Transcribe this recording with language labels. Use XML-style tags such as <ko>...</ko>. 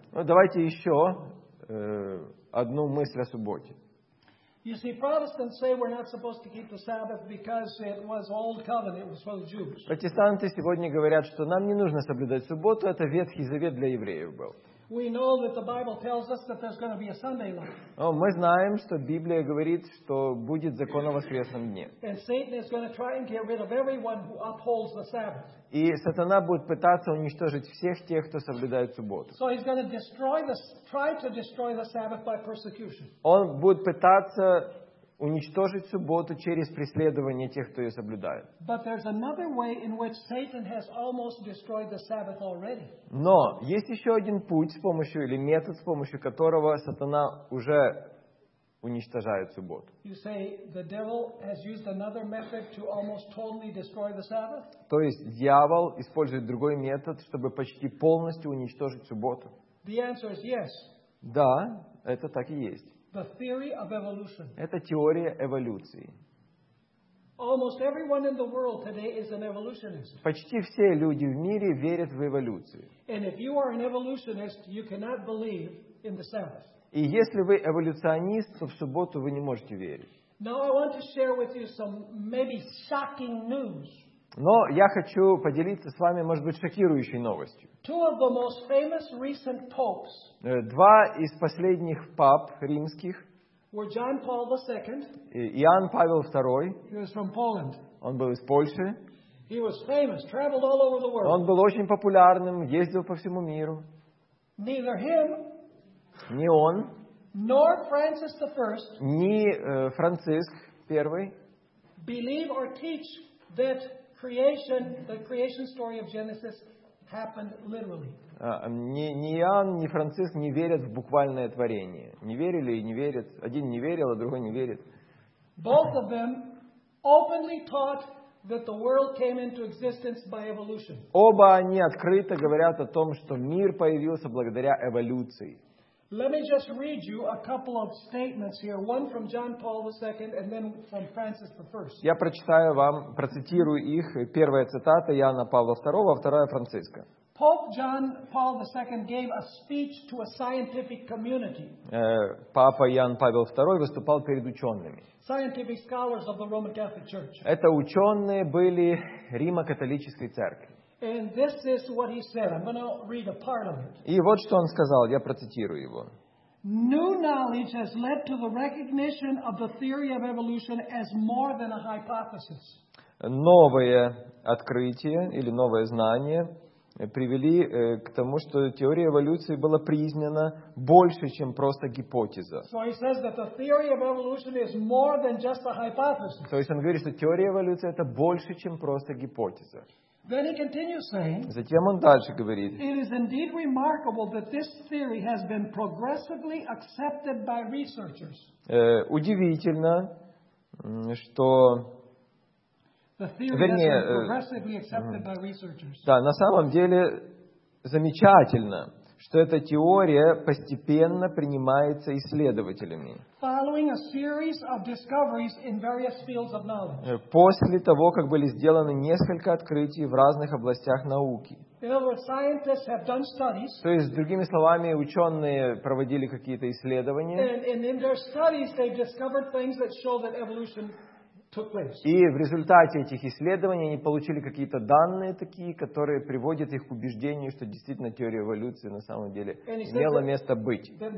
<ru>Ну, давайте еще одну мысль о субботе.</ru> <en>You see, Protestants say we're not supposed to keep the Sabbath because it was old covenant, it was for the Jews.</en> <ru>Протестанты сегодня говорят, что нам не нужно соблюдать субботу, это Ветхий Завет для евреев был.</ru> <en>We know that the Bible tells us that there's going to be a Sunday law.</en> <ru>Но мы знаем, что Библия говорит, что будет закон о воскресном дне.</ru> <en>And Satan is going to try and get rid of everyone who upholds the Sabbath.</en> <ru>И сатана будет пытаться уничтожить всех тех, кто соблюдает субботу.</ru> <en>So he's going to try to destroy the Sabbath by persecution.</en> <ru>Он будет пытаться уничтожить субботу через преследование тех, кто ее соблюдает.</ru> <en>But there's another way in which Satan has almost destroyed the Sabbath already.</en> <ru>Но есть еще один путь с помощью или метод, с помощью которого сатана уже уничтожает субботу.</ru> <en>You say the devil has used another method to almost totally destroy the Sabbath?</en> <ru>То есть дьявол использует другой метод, чтобы почти полностью уничтожить субботу?</ru> <en>The answer is yes.</en> <ru>Да, это так и есть.</ru> <en>The theory of evolution.</en> <ru>Это теория эволюции.</ru> <en>Almost everyone in the world today is an evolutionist.</en> <ru>Почти все люди в мире верят в эволюцию.</ru> <en>And if you are an evolutionist, you cannot believe in the Sabbath.</en> <ru>И если вы эволюционист, то в субботу вы не можете верить.</ru> <en>Now I want to share with you some maybe shocking news.</en> <ru>Но я хочу поделиться с вами, может быть, шокирующей новостью.</ru> <en>Two of the most famous recent popes.</en> <ru>Два из последних пап римских.</ru> <en>Were John Paul II.</en> <ru>Иоанн Павел II.</ru> <en>He was from Poland.</en> <ru>Он был из Польши.</ru> <en>He was famous, traveled all over the world.</en> <ru>Он был очень популярным, ездил по всему миру.</ru> <en>Neither him.</en> <ru>Не он.</ru> <en>Nor Francis I.</en> <ru>Ни Франциск I.</ru> <en>Believe or teach that the creation story of Genesis happened literally.</en> <ru>Ни Иоанн, ни Франциск не верят в буквальное творение. Не верили и не верят. Один не верил, а другой не верит.</ru> <en>Both of them openly taught that the world came into existence by evolution.</en> <ru>Оба они открыто говорят о том, что мир появился благодаря эволюции.</ru> <en>Let me just read you a couple of statements here, one from John Paul II and then from Francis I.</en> <ru>Я прочитаю вам, процитирую их. Первая цитата Иоанна Павла II, а вторая Франциска.</ru> <en>Pope John Paul II gave a speech to a scientific community.</en> <ru>Папа Иоанн Павел II выступал перед учеными.</ru> <en>Scientific scholars of the Roman Catholic Church.</en> <ru>Это ученые были Римо-католической церкви.</ru> <en>And this is what he said. I'm going to read a part of it.</en> <ru>И вот что он сказал, я процитирую его.</ru> <en>New knowledge has led to the recognition of the theory of evolution as more than a hypothesis.</en> <ru>Новое открытие или новое знание привели к тому, что теория эволюции была признана больше, чем просто гипотеза.</ru> <en>So he says that the theory of evolution is more than just a hypothesis.</en> <ru>То есть он говорит, что теория эволюции это больше, чем просто гипотеза.</ru> <en>Then he continues saying,</en> <ru>затем он дальше говорит,</ru> <en>it is indeed remarkable that this theory has been progressively accepted by researchers.</en> <ru>Удивительно, что</ru> <en>the theory</en> <ru>вернее,</ru> <en>has been progressively accepted by researchers.</en> <ru>Да, на самом деле замечательно, что эта теория постепенно принимается исследователями.</ru> <en>Following a series of discoveries in various fields of knowledge.</en> <ru>После того, как были сделаны несколько открытий в разных областях науки.</ru> <en>Scientists have done studies.</en> <ru>То есть, другими словами, ученые проводили какие-то исследования.</ru> <en>And in their studies they've discovered things that show that evolution took place.</en> <ru>И в результате этих исследований они получили какие-то данные такие, которые приводят их к убеждению, что действительно теория эволюции на самом деле имела место быть.</ru>